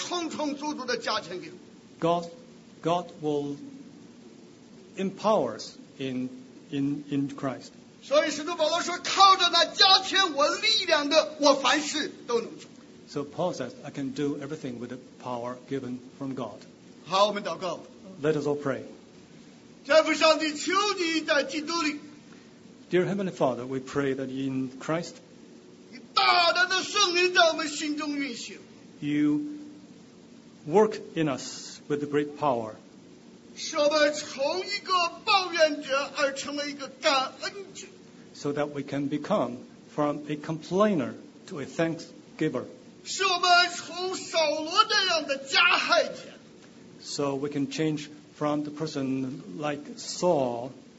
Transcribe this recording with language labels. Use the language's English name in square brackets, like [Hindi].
[Chinese] 神的能力在耶稣基督里必然充充足足地加强给我们。 [English] God will empower us in Christ. [Chinese] 所以使徒保罗说靠着那加添我力量的我凡事都能做。 [English] So Paul says, I can do everything with the power given from God. [Chinese] 好,我们祷告。 [English] Let us all pray. [Chinese] 天父上帝求你在基督里, [English] Dear Heavenly Father, we pray that in Christ, [Chinese] 你大大的圣灵在我们心中运行。 [English] You work in us with great power. [Chinese] 使我们从一个抱怨者而成为一个感恩者。 [English] So that we can become from a complainer to a thanks giver. [Chinese] 使我们从扫罗那样的加害者。 [English] So we can change from the person like Saul.